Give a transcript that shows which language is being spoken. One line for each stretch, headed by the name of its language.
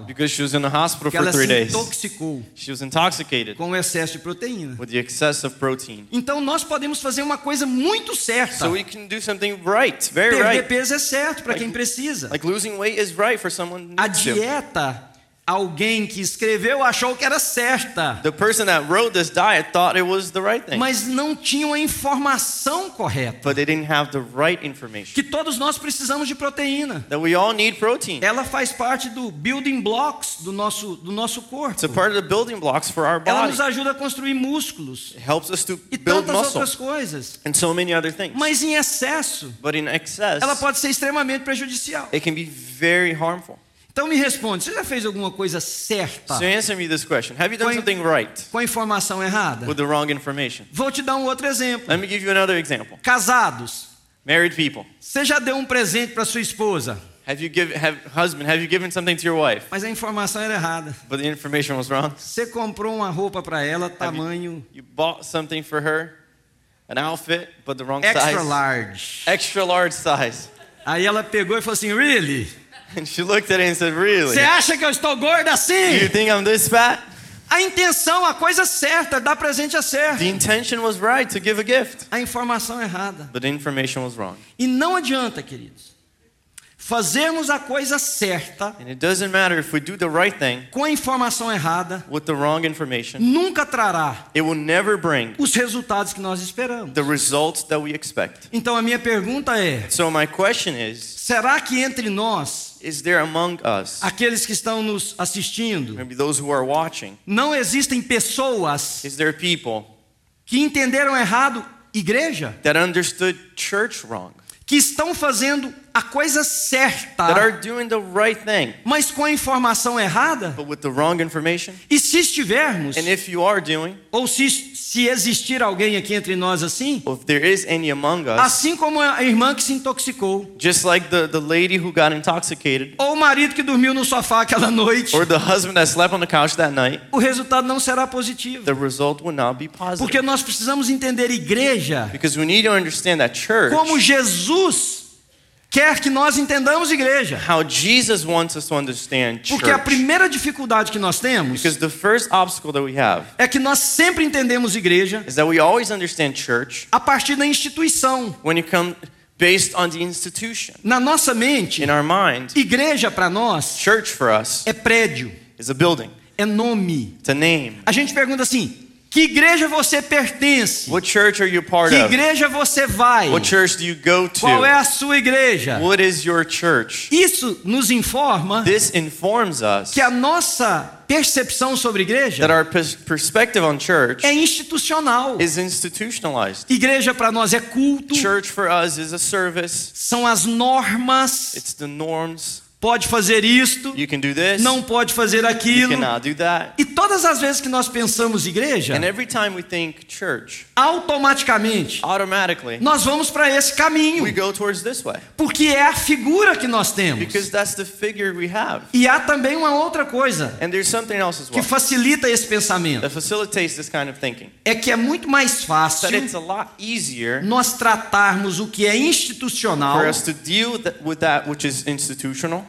English: Because she was in the hospital for 3 days.
Portuguese: Ela se intoxicou.
English: She was intoxicated.
Portuguese: Com o excesso de proteína.
English: With the excess of protein.
Portuguese: Então nós podemos fazer uma coisa muito certa.
English: So we can do something right, very right.
Portuguese: Perder peso é certo para quem precisa.
English: Like losing weight is right for someone who needs to.
Portuguese: A dieta, alguém que escreveu achou que era certa.
English: The person that wrote this diet thought it was the right thing.
Portuguese: Mas não tinha a informação correta.
English: But they didn't have the right information.
Portuguese: Que todos nós precisamos de proteína.
English: That we all need protein.
Portuguese: Ela faz parte do
English: building blocks
Portuguese: do nosso corpo.
English: It's a part of the building blocks for our body.
Portuguese: Ela nos ajuda a construir músculos.
English: It helps us to
Portuguese: e
English: build muscle.
Portuguese: E tantas outras coisas.
English: And so many other things.
Portuguese: Mas em excesso.
English: But in excess.
Portuguese: Ela pode ser extremamente prejudicial.
English: It can be very harmful.
Portuguese: Então me responde, você já fez alguma coisa certa?
English: So answer me this question. Have you done something right?
Portuguese: Com a informação errada?
English: With the wrong information.
Portuguese: Vou te dar um outro exemplo.
English: Let me give you another example.
Portuguese: Casados.
English: Married people.
Portuguese: Você já deu um presente para sua esposa?
English: Have you given something to your wife?
Portuguese: Mas a informação era errada.
English: But the information was wrong.
Portuguese: Você comprou uma roupa para ela, tamanho...
English: You bought something for her, an outfit, but the wrong extra size. Extra large. Extra large size.
Portuguese: Aí ela pegou e falou assim,
English: really? And she looked at it and said, really?
Portuguese: Você acha que eu estou gorda assim?
English: You think I'm this fat?
Portuguese: A intenção, a coisa certa, dar presente é certo.
English: The intention was right to give a gift.
Portuguese: A informação errada.
English: But the information was wrong.
Portuguese: E não adianta, queridos, fazermos a coisa certa.
English: And it doesn't matter if we do the right thing.
Portuguese: Com a informação errada.
English: With the wrong information.
Portuguese: Nunca trará.
English: It will never bring.
Portuguese: Os resultados que nós esperamos.
English: The results that we expect.
Portuguese: Então a minha pergunta é.
English: So my question is.
Portuguese: Será que entre nós.
English: Is there among us?
Portuguese: Aqueles que estão nos assistindo.
English: Maybe those who are watching.
Portuguese: Não existem pessoas.
English: Is there people?
Portuguese: Que entenderam errado igreja?
English: That understood church wrong.
Portuguese: Que estão fazendo a coisa certa.
English: That are doing the right thing.
Portuguese: Mas com a informação errada?
English: But with the wrong information.
Portuguese: E se estivermos?
English: And if you are doing.
Portuguese: Ou se existir alguém aqui entre nós assim?
English: Or if there is any among us.
Portuguese: Assim como a irmã que se intoxicou.
English: Just like the lady who got intoxicated.
Portuguese: Ou o marido que dormiu no sofá aquela noite.
English: Or the husband that slept on the couch that night.
Portuguese: O resultado não será positivo.
English: The result will not be positive.
Portuguese: Porque nós precisamos entender igreja.
English: Because we need to understand that church.
Portuguese: Como Jesus quer que nós entendamos igreja.
English: How Jesus wants us to understand church.
Portuguese: Porque a primeira dificuldade que nós temos.
English: Because the first obstacle that we have.
Portuguese: É que nós sempre entendemos igreja.
English: Is that we always understand church.
Portuguese: A partir da instituição.
English: When you come based on the institution.
Portuguese: Na nossa mente.
English: In our mind.
Portuguese: Igreja para nós.
English: Church for us.
Portuguese: É prédio.
English: Is a building.
Portuguese: É nome.
English: It's a name.
Portuguese: A gente pergunta assim. Que igreja você pertence?
English: What church are you part of?
Portuguese: Que igreja você vai?
English: What church do you go to?
Portuguese: Qual é a sua igreja?
English: What is your church?
Portuguese: Isso nos informa.
English: This informs us.
Portuguese: Que a nossa percepção sobre igreja.
English: That our perspective on church.
Portuguese: É institucional.
English: Is institutionalized.
Portuguese: Igreja para nós é culto.
English: Church for us is a service.
Portuguese: São as normas.
English: It's the norms.
Portuguese: pode fazer isto,
English: you can do this,
Portuguese: não pode fazer aquilo.
English: You cannot do that.
Portuguese: E todas as vezes que nós pensamos igreja,
English: and every time we think church,
Portuguese: automaticamente,
English: automatically,
Portuguese: nós vamos para esse caminho.
English: We go towards this way.
Portuguese: Porque é a figura que nós temos.
English: Because that's the figure we have.
Portuguese: E há também uma outra coisa,
English: and there's something else as well,
Portuguese: que facilita esse pensamento.
English: That facilitates this kind of thinking.
Portuguese: É que é muito mais fácil,
English: that it's a lot easier,
Portuguese: nós tratarmos o que é institucional,
English: for us to deal with that which is institutional,